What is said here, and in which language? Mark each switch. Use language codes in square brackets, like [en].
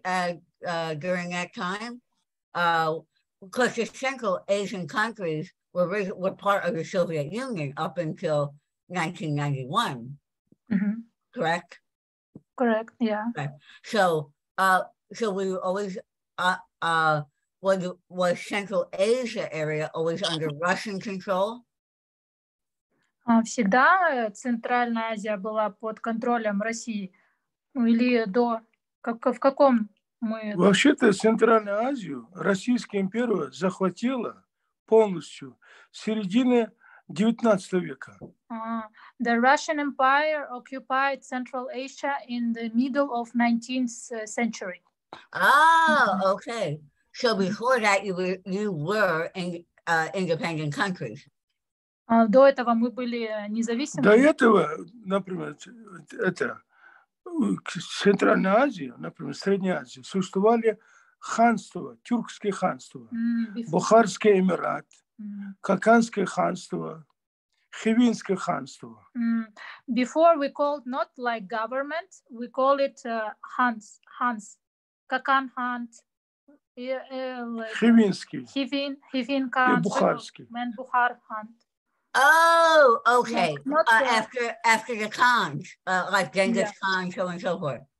[en] During that time, because the Central Asian countries were part of the Soviet Union up until 1991, correct? Correct. Yeah. Okay. So we were always was Central Asia area always under Russian control? [ru] Всегда Центральная Азия была под контролем России? Или до? В каком мы... Вообще-то Центральную Азию Российская империя захватила полностью с середины XIX века. The Russian Empire occupied Central Asia in the middle of 19th century. Okay. So before that you were independent countries. До этого мы были независимыми. До этого, например, это Центральная Азия, например, Средняя Азия, существовали ханства, тюркские ханства, Бухарский эмират, Коканское ханство, Хивинское ханство. [en] Before we called not like government, we call it ханс, Кокан хант. [ru] Хивин хан. И Бухарский. [ug] Мен Бухар хант. [en] Oh, okay. After the Khans, like Genghis Khan, so and so forth.